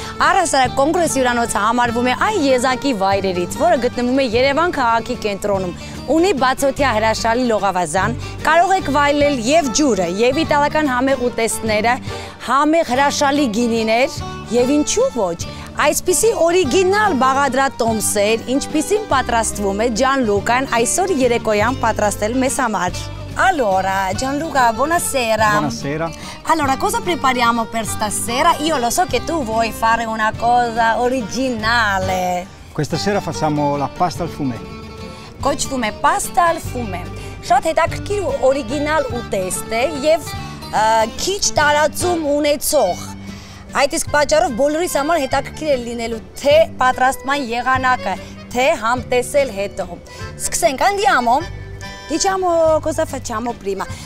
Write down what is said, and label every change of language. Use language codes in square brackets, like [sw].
[hy] Առհասարակ կոնգրես հյուրանոցը համարվում է այն եզակի վայրերից, որը գտնվում է Երևան քաղաքի կենտրոնում։ Ունի բացօթյա հրաշալի լողավազան, կարող եք վայելել եւ ջուրը, եւ իտալական համեղ ուտեստները, համեղ հրաշալի գինիներ, եւ ինչու ոչ, այսպիսի օրիգինալ բաղադրատոմսեր, ինչպիսին պատրաստվում է Ջանլուկան այսօր երեկոյան պատրաստել մեզ համար։ [it] Allora, Gianluca, buonasera. Buonasera. Allora, cosa prepariamo per stasera? Io lo so che tu vuoi fare una cosa originale. Questa sera facciamo la pasta al fumé. Coach fumé, pasta al fumé. [hy] Շատ հետաքրքիր ու օրիգինալ ուտեստ է եւ քիչ տարածում ունեցող։ Այդ իսկ պատճառով բոլորիս համար հետաքրքիր է լինելու թե պատրաստման եղանակը, թե համտեսել հետո։ Սկսենք, անդիամո։ Դիչամո, [it] cosa facciamo prima?